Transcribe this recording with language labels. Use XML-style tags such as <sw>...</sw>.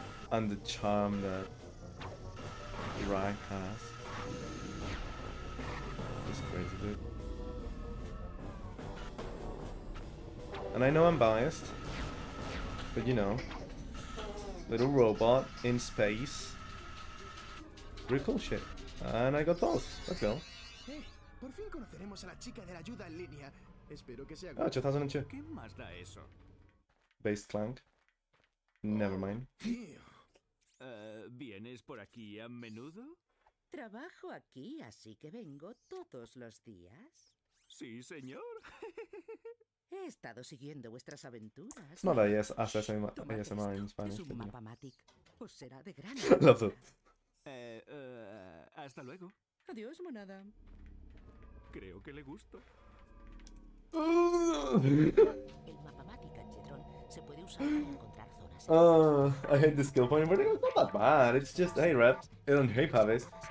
<en>And the charm that Drek has is crazy, dude. And I know I'm biased, but you know, little robot in space, pretty cool shit. And I got both. Let's go.</en> <es>Por fin conoceremos a la chica de la ayuda en línea. Espero que sea. Ah, 2002. ¿Qué más da eso?</es> <en>Based Clank. Never mind.</en> <es>¿Vienes por aquí a menudo? Trabajo aquí, así que vengo todos los días. Sí, señor. He estado siguiendo vuestras aventuras. No la yes, ASMR en español. Es un mapa matic. Os será de gran ayuda. Hasta luego. Adiós, monada. Creo que le gusto. El mapa matic anchetron se puede usar para encontrar zonas.</es> <en>I hate the skill point, but it's not that bad. It's just, hey, rep. And hey, Pavis.</en>